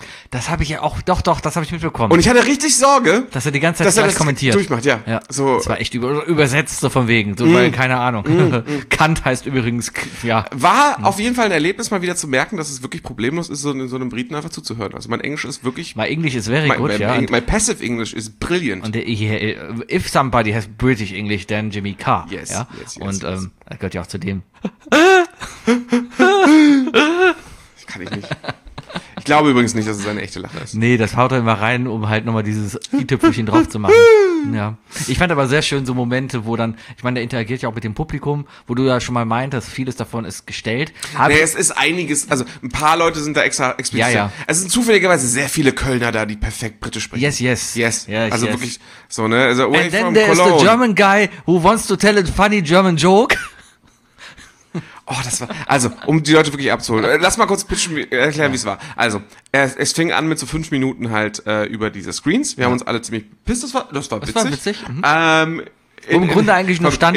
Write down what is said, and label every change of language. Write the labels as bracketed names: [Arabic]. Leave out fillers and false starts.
[German] Das habe ich ja auch, doch, das habe ich mitbekommen. Und ich hatte richtig Sorge, dass er die ganze Zeit das kommentiert. Durchmacht, ja. Ja. So. Das war echt übersetzt, so von wegen, so, weil keine Ahnung. Kant heißt übrigens, ja. War auf jeden Fall ein Erlebnis, mal wieder zu merken, dass es wirklich problemlos ist, so einem Briten einfach zuzuhören. Also mein Englisch ist wirklich... [English] My English is very good, ja. My passive English is brilliant. Und if somebody has British English, then Jimmy Carr. Yes, [German] ja? [English] Yes. [German] Und yes. Gehört ja auch zu dem. Kann ich nicht. Ich glaube übrigens nicht, dass es eine echte Lache ist. Nee, das haut er immer rein, um halt nochmal dieses i-Tüpfelchen drauf zu machen. Ja. Ich fand aber sehr schön so Momente, wo dann, ich meine, der interagiert ja auch mit dem Publikum, wo du ja schon mal meintest, vieles davon ist gestellt. Nee, es ist einiges, also ein paar Leute sind da extra explizit. Ja, ja. Es sind zufälligerweise sehr viele Kölner da, die perfekt Britisch sprechen. [English] Yes, yes. Yes, yes. [German] Also yes. Wirklich so, ne? Also, [English] and then from there Cologne. Is the German guy who wants to tell a funny German joke. [German] Oh, das war, also, um die Leute wirklich abzuholen. Lass mal kurz pitchen, erklären, wie es war. Also, es fing an mit so 5 Minuten halt über diese Screens. Wir haben uns alle ziemlich pissed, das war witzig. Das war witzig. Im Grunde eigentlich nur Stand.